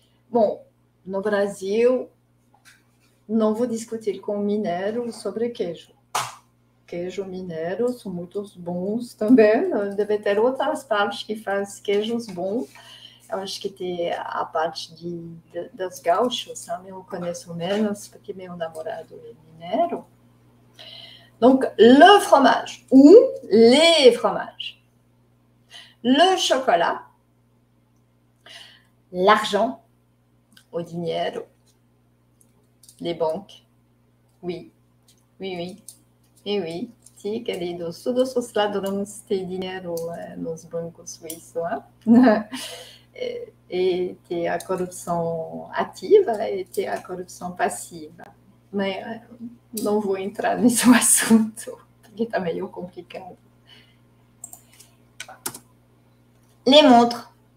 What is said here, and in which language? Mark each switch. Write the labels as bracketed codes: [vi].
[pt] Bom, no Brasil, não vou discutir com mineiro sobre queijo. Queijo mineiro são muito bons também. Deve ter outras partes que fazem queijos bons. Eu acho que tem a parte dos gauchos, sabe? Eu conheço menos, porque meu namorado é mineiro. [fr] Donc, le fromage ou les fromages. Le chocolat. L'argent. [pt] O dinheiro. [fr] Les banques. Oui. Oui, oui. Et oui. [pt] Si, queridos, todos os ladrões têm dinheiro nos bancos suíços. Hein? [fr] et t'es à corruption active et t'es à corruption passive. Mais non, vous entrez dans ce sujet, qui est un peu compliqué. Les montres.